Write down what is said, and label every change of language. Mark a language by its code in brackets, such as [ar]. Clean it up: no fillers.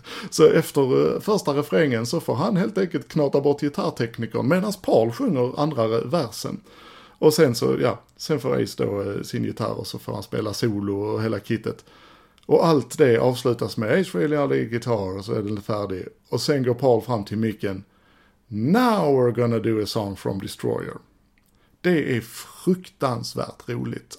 [sv] Så efter första refrängen så får han helt enkelt knata bort gitarrteknikern medan Paul sjunger andra versen. Och sen så, ja, sen får Ace då sin gitarr och så får han spela solo och hela kittet. Och allt det avslutas med Ace Frehley har lite gitarr och så är den färdig. Och sen går Paul fram till micken. [en] Now we're gonna do a song from Destroyer. [sv] Det är fruktansvärt roligt.